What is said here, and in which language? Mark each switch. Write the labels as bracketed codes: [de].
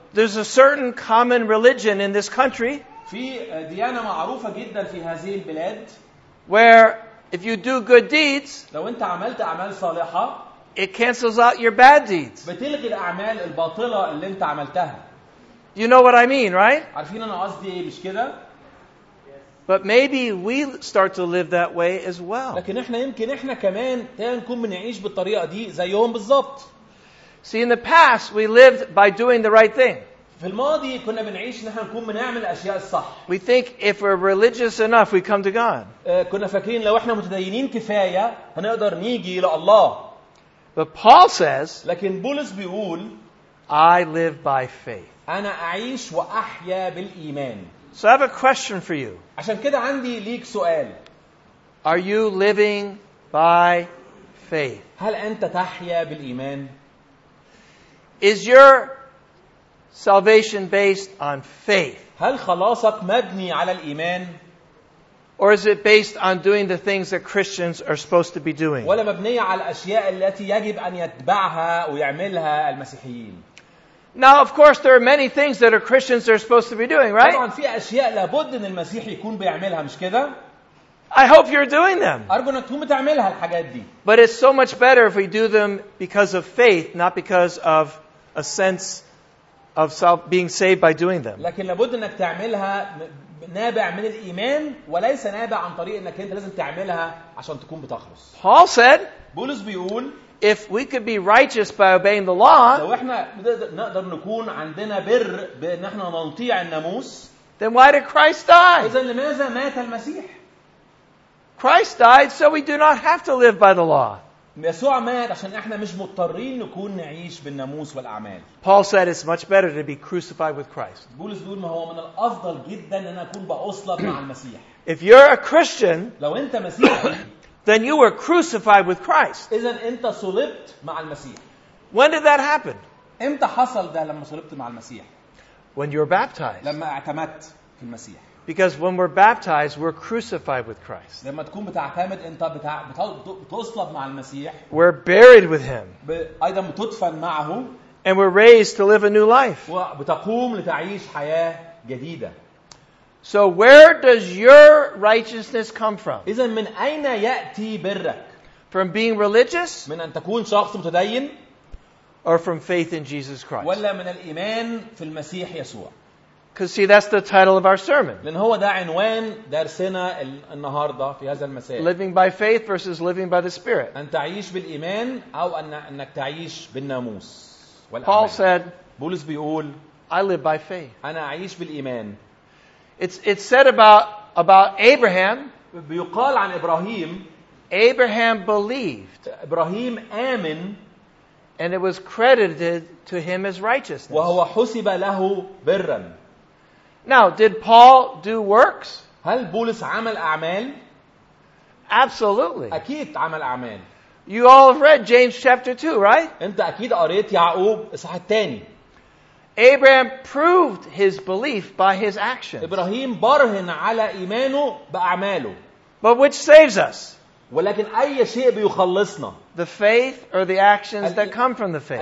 [en] There's a certain common religion in this country. [ar] في ديانة معروفة جدا في هذه البلاد [en] where if you do good deeds [ar] لو انت عملت اعمال صالحة [en] it cancels out your bad deeds [ar] بتلغي الاعمال الباطلة اللي انت عملتها. [en] You know what I mean, right? [ar] عارفين انا قصدي ايه مش كده؟ [en] But maybe we start to live that way as well. [ar] لكن احنا يمكن احنا كمان نكون بنعيش بالطريقة دي زيهم بالضبط. [en] See, in the past we lived by doing the right thing. [ar] في الماضي كنا بنعيش نحن نكون بنعمل أشياء الصح. [en] We think if we're religious enough, we come to God. [ar] كنا فاكرين لو إحنا متدينين كفاية هنقدر نيجي إلى الله. [en] But Paul says. [ar] لكن بولس بيقول. [en] I live by faith. [ar] أنا أعيش وأحيا بالإيمان. [en] So I have a question for you. [ar] عشان كده عندي ليك سؤال. [en] Are you living by faith? [ar] هل أنت تحيا بالإيمان? [en] Is your salvation based on faith. [ar] هل خلاصك مبني على الإيمان؟ [en] Or is it based on doing the things that Christians are supposed to be doing? [ar] ولا مبنية على الأشياء التي يجب أن يتبعها ويعملها المسيحيين. [en] Now, of course, there are many things that are Christians are supposed to be doing, right? [ar] طبعاً في أشياء لابد أن المسيح يكون بيعملها مش كده؟ [en] I hope you're doing them. [ar] أرجو أنك تكون بتعملها الحاجات دي. [en] But it's so much better if we do them because of faith, not because of a sense. Of being saved by doing them. [ar] لكن لابد انك تعملها نابع من الايمان وليس نابع عن طريق انك انت لازم تعملها عشان تكون بتخلص. [en] Paul said, [ar] بولس بيقول, [en] if we could be righteous by obeying the law, [ar] لو احنا نقدر نكون عندنا بر بان احنا نطيع الناموس, [en] then why did Christ die? [ar] اذا لماذا مات المسيح؟ [en] Christ died so we do not have to live by the law. [ar] يسوع مات عشان احنا مش مضطرين نكون نعيش بالناموس والاعمال. [en] Paul said it's much better to be crucified with Christ. [ar] بولس بيقول ما هو من الافضل جدا ان انا اكون باصلب مع المسيح. [en] If you're a Christian, [ar] لو انت مسيحي, [en] then you were crucified with Christ. [ar] اذا انت صلبت مع المسيح. [en] When did that happen? [ar] امتى حصل ده لما صلبت مع المسيح؟ [en] When you were baptized. [ar] لما اعتمدت في المسيح. [en] Because when we're baptized, we're crucified with Christ. [ar] لما تكون بتعتمد انت بتصلب مع المسيح. [en] We're buried with him. [ar] ايضا بتدفن معه. [en] And we're raised to live a new life. [ar] وبتقوم لتعيش حياة جديدة. [en] So where does your righteousness come from? [ar] اذا من اين ياتي برك؟ [en] From being religious? [ar] من ان تكون شخص متدين. [en] Or from faith in Jesus Christ? [ar] ولا من الايمان في المسيح يسوع. [en] Because see, that's the title of our sermon. [ar] لأن هو ده عنوان درسنا النهاردة في هذا المساء. [en] Living by faith versus living by the Spirit. [ar] أن تعيش بالإيمان أو أنك تعيش بالناموس. [en] Paul said. [ar] بولس بيقول. [en] I live by faith. [ar] أنا أعيش بالإيمان. [en] It's said about Abraham. [ar] بيقال عن إبراهيم. [en] Abraham believed. [ar] إبراهيم آمن. [en] And it was credited to him as righteousness. [ar] وهو حسب له برا. [en] Now, did Paul do works? [ar] هل بولس عمل أعمال? [en] Absolutely. [ar] أكيد عمل أعمال. [en] You all have read James chapter 2, right? [ar] أنت أكيد قريت يعقوب إصحاح الثاني. [en] Abraham proved his belief by his actions. [ar] إبراهيم برهن على إيمانه بأعماله. [en] But which saves us? [ar] ولكن أي شيء بيخلصنا? [en] The faith or the actions that come from the faith?